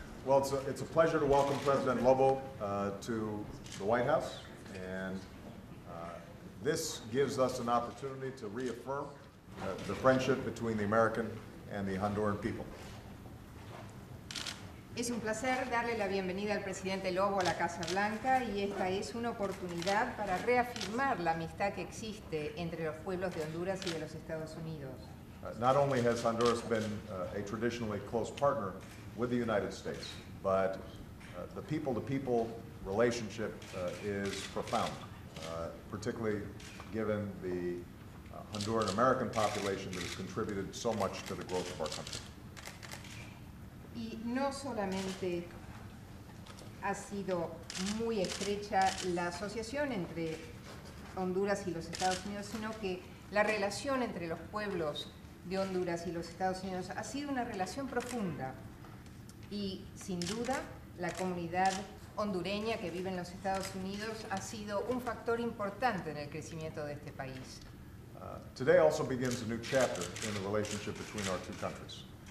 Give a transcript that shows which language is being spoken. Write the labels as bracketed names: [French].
[English] Well, it's a pleasure to welcome President Lobo to the White House, and this gives us an opportunity to reaffirm the friendship between the American and the Honduran people. [Spanish] Es un placer darle la bienvenida al presidente Lobo a la Casa Blanca, y esta es una oportunidad para reafirmar la amistad que existe entre los pueblos de Honduras y de los Estados Unidos. [English] Not only has Honduras been a traditionally close partner with the United States, but the people-to-people relationship is profound, particularly given the Honduran-American population that has contributed so much to the growth of our country. [Spanish] Y no solamente ha sido muy estrecha la asociación entre Honduras y los Estados Unidos, sino que la relación entre los pueblos de Honduras y los Estados Unidos ha sido una relación profunda. Y sin duda, la comunidad hondureña que vive en los Estados Unidos ha sido un factor importante en el crecimiento de este país. [English] Today also begins a new chapter in the relationship between our two countries.